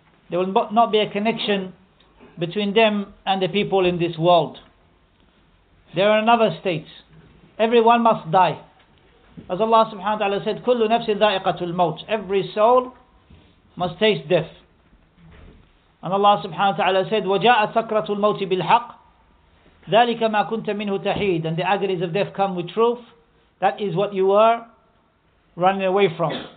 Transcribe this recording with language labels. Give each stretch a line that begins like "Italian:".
English: There will not be a connection between them and the people in this world. They are in another state. Everyone must die, as Allah subhanahu wa ta'ala said, "Kullu nafsin dha'iqatul maut." Every soul must taste death. And Allah subhanahu wa ta'ala said,
Arabic: وَجَاءَ سَكْرَةُ الْمَوْتِ بِالْحَقِّ ذَلِكَ مَا كُنْتَ مِنْهُ تَحِيدٍ.
English: And the agonies of death come with truth. That is what you were running away from.